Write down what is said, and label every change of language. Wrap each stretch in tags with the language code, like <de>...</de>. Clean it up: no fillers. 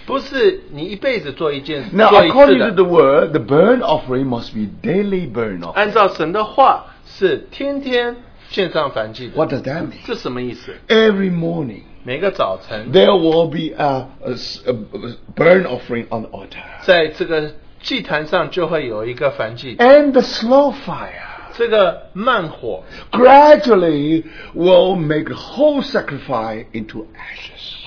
<en>Now according to the word, the burnt offering must be daily burnt offering.</en> <zh>按照神的话是天天</zh> <en>What does that mean?</en> <zh>这什么意思?</zh> <en>Every morning,</en> <zh>每个早晨,</zh> <en>there will be a burnt offering on the altar.</en> <zh>在这个祭坛上就会有一个燔祭,</zh> <en>and the slow fire,</en> <zh>这个慢火,</zh> <en>gradually will make the whole sacrifice into ashes.</en>